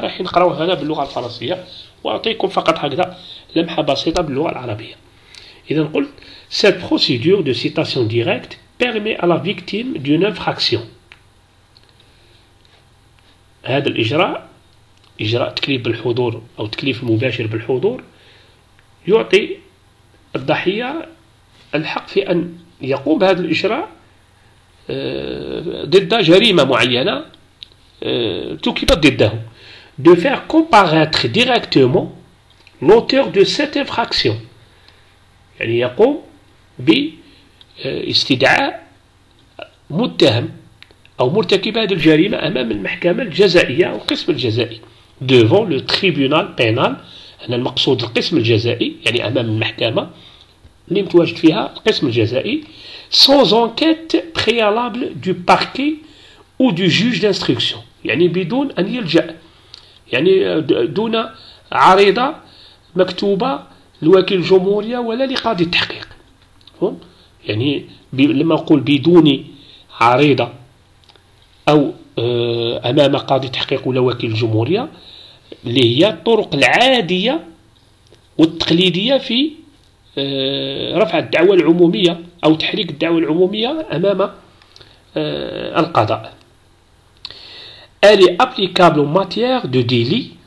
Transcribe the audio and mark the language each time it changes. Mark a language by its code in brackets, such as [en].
[ar] راح نقراوها هنا باللغة الفرنسية وأعطيكم فقط هكذا لمحة بسيطة باللغة العربية. إذا قلت [fr] cette procédure de citation directe permet à la victime d'une infraction. [ar] هذا الإجراء إجراء تكليف بالحضور أو تكليف مباشر بالحضور يعطي الضحية الحق في أن يقوم بهذا الإجراء ضد جريمة معينة تكبت ضده. [fr] De faire comparaître directement l'auteur de cette infraction. [ar] يعني يقوم باستدعاء متهم أو مرتكب هذه الجريمة أمام المحكمة الجزائية أو القسم الجزائي. [fr] Devant le tribunal pénal. [ar] هنا المقصود القسم الجزائي يعني أمام المحكمة اللي متواجد فيها القسم الجزائي. [fr] Sans enquête préalable du parquet ou du juge d'instruction. [ar] يعني بدون أن يلجأ. يعني دون عريضة مكتوبة لوكيل الجمهورية ولا لقاضي التحقيق. يعني لما أقول بدون عريضة أو أمام قاضي التحقيق ولا وكيل الجمهورية اللي هي الطرق العادية والتقليدية في رفع الدعوى العمومية أو تحريك الدعوة العمومية أمام القضاء. [fr] Elle est applicable en matière de délit.